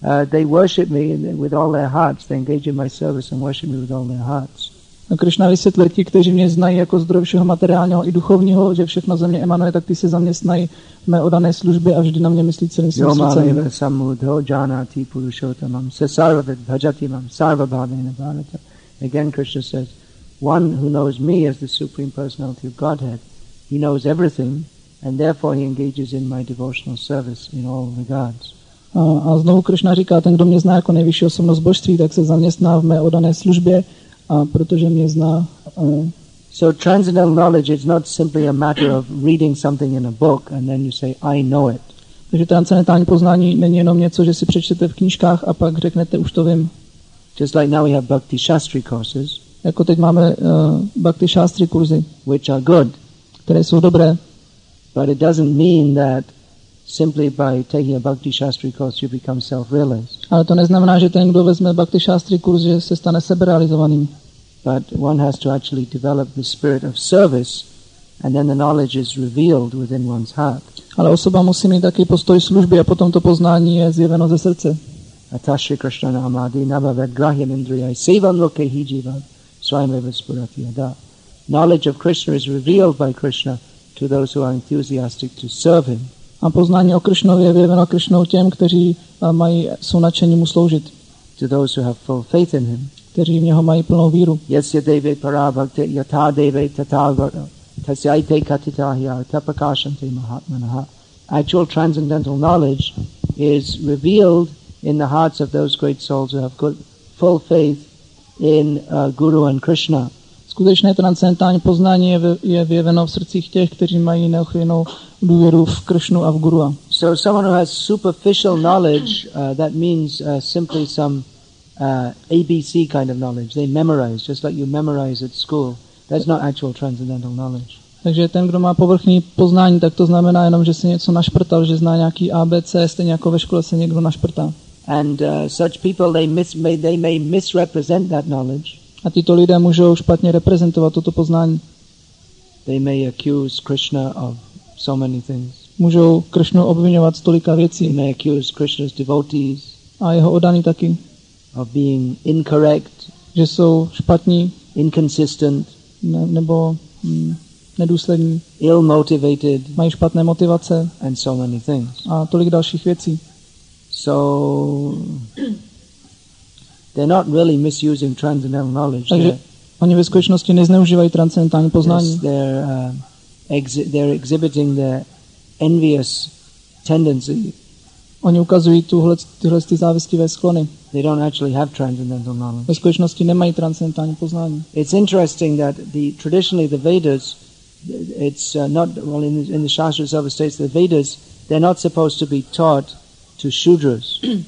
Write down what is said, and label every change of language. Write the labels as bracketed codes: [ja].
[en] They worship me with all their hearts. They engage in my service and worship me with all their hearts. [cs] A Krišna vysvětlí ti, kteří mě znají jako zdrojšího materiálního i duchovního, že všechno ze mě emanuje, tak ty se za mě snají mé odané služby a vždy na mě myslí celým svým srdcem. [sa] Yomaleva samudho janati purushottamam sasarvad bhajati mam sarvabhavena bharata. [en] Again, Krishna says, one who knows me as the Supreme Personality of Godhead, he knows everything, and therefore he engages in my devotional service in all regards. [cs] A znovu Krišna říká, ten, kdo mě zná jako nejvyšší osobnost božství, tak se zaměstná v mé odané službě, a protože mě zná. [en] So transcendental knowledge is not simply a matter of reading something in a book and then you say I know it. [cs] Takže transcendentální poznání není jenom něco, že si přečtete v knížkách a pak řeknete už to vím. [en] Just like now we have bhakti shastri courses. [cs] Jako teď máme bhakti shastri kurzy, [en] which are good, [cs] které jsou dobré. [en] But it doesn't mean that simply by taking a bhakti shastri course you become self-realized. [cs] Ale to neznamená, že ten, kdo vezme bhakti shastri kurz, že se stane seberealizovaným. [en] But one has to actually develop the spirit of service and then the knowledge is revealed within one's heart. [cs] Ale osoba musí mít taky postoj služby a potom to poznání je zjeveno ze srdce. [sa] Atashri Krishna Namadi Navaved Grahyam Indriyai Sivam Loke Hijiva Swayameva Spurati Yada. [en] Knowledge of Krishna is revealed by Krishna to those who are enthusiastic to serve him. [cs] A poznání o Krišnovi je vyjeveno Krišnou těm, kteří mají, jsou nadšení mu sloužit. [en] To those who have full faith in him. [cs] Kteří v něho mají plnou víru. [sa] Yasya deve para bhakte yata deve tathagata tasyaite katitahya tapakashante mahatmanaha. [en] Actual transcendental knowledge is revealed in the hearts of those great souls who have full faith in Guru and Krishna. [cs] Skutečné transcendentální poznání je vyjeveno v srdcích těch, kteří mají neochvějnou důvěru v Kršnu a v Gurua. [en] So someone who has superficial knowledge, that means simply some ABC kind of knowledge. They memorize, just like you memorize at school. That's not actual transcendental knowledge. [cs] Takže ten, kdo má povrchní poznání, tak to znamená jenom, že se něco našprtal, že zná nějaký ABC, stejně jako ve škole se někdo našprtá. [en] And such people, they may misrepresent that knowledge. [cs] A tyto lidé můžou špatně reprezentovat toto poznání. [en] They may accuse Krishna of so many things. [cs] Můžou Krishnu obvinovat z tolika věcí. [en] They may accuse Krishna's devotees. [cs] A jeho oddaní taky. [en] Of being incorrect. [cs] Že jsou špatní. [en] Inconsistent. [cs] Nebo nedůslední. [en] Ill-motivated. [cs] Mají špatné motivace. [en] And so many things. [cs] A tolik dalších věcí. [en] So they're not really misusing transcendental knowledge. [cs] Takže oni ve skutečnosti nezneužívají transcendentální poznání. [en] They're exhibiting their envious tendency. [cs] Oni ukazují tyhle ty závistivé sklony. [en] They don't actually have transcendental knowledge. [cs] Ve skutečnosti nemají transcendentální poznání. [en] It's interesting that traditionally the Vedas, it's not well in the Shastra itself states the Vedas, they're not supposed to be taught to Shudras.